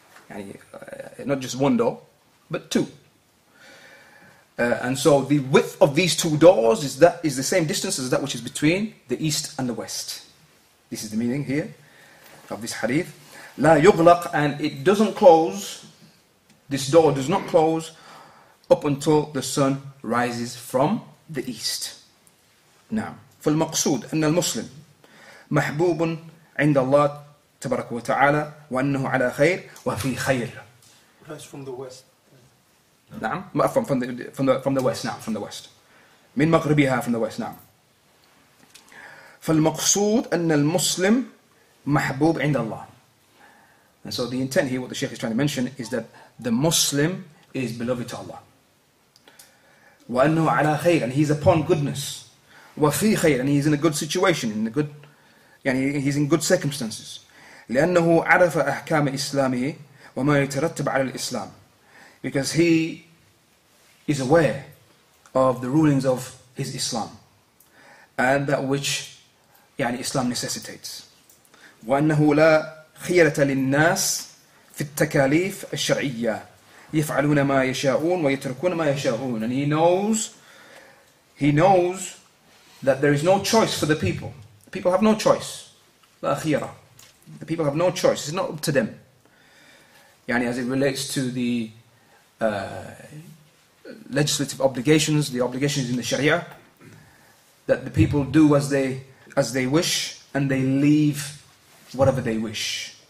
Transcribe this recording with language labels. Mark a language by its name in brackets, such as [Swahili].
[English] Yani, not just one door, but two. And so the width of these two doors is the same distance as that which is between the east and the west. This is the meaning here of this hadith. [Arabic] لا يغلق, [English] and it doesn't close, this door does not close up until the sun rises from the east. [Arabic] نعم. فالمقصود أن المسلم محبوب عند الله تبارك وتعالى وأنه على خير وفي خير. [English] That's from the west. [Arabic] نعم [English] from the west now from the west [Arabic] من مغربها [English] from the west now [Arabic] فالمقصود أن المسلم محبوب عند الله. [English] And so the intent here, what the Shaykh is trying to mention, is that the Muslim is beloved to Allah. [Arabic] وأنه على خير, [English] and he's upon goodness. [Arabic] وفي خير, [English] and he's in a good situation, in a good, يعني he's in good circumstances. [Arabic] لأنه عرف أحكام إسلامه وما يترتب على الإسلام. [English] Because he is aware of the rulings of his Islam and that which يعني Islam necessitates. [Arabic] وأنه لا خيرة للناس في التكاليف الشرعية يفعلون ما يشاءون ويتركون ما يشاءون. [English] And he knows that there is no choice for the people. People have no choice. [Arabic] لا خيرة. [English] The people have no choice. It's not up to them. يعني as it relates to the legislative obligations, the obligations in the Sharia, that the people do as they wish and they leave whatever they wish.